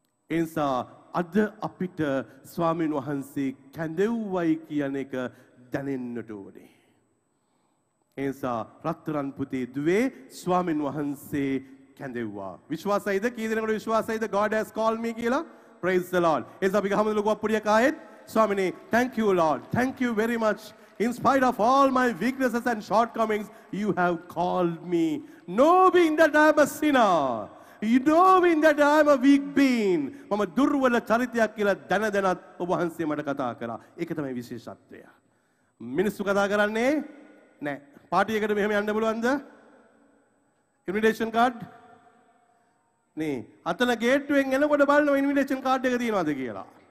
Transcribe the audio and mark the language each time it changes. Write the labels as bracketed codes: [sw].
[si] එන්සා අද අපිට ස්වාමීන් වහන්සේ කැඳෙව්වයි කියන එක දැනෙන්නට ඕනේ. එන්සා රත්තරන් පුතේ දුවේ ස්වාමීන් වහන්සේ කැඳෙව්වා. විශ්වාසයිද කී දෙනෙකුට විශ්වාසයිද [en] God has called me [si] කියලා? [en] Praise the Lord. [si] එන්සා අපි ගහමු ලොකු අප්පුඩියක් ආයෙත්. ස්වාමිනේ [en] thank you Lord. Thank you very much. In spite of all my weaknesses and shortcomings, you have called me, knowing that I am a sinner. You know in that I'm a weak being. [si] මම දුර්වල චරිතයක් කියලා දන දනත් ඔබ වහන්සේ මට කතා කරා. ඒක තමයි විශේෂත්වය. මිනිස්සු කතා කරන්නේ නැහැ. පාටි එකට මෙහෙම යන්න බලවන්ද? ඉන්විටේෂන් කාඩ් නේ. අතන ගේට්ටුවෙන් එනකොට බලනවා ඉන්විටේෂන් කාඩ් එක තියෙනවද කියලා.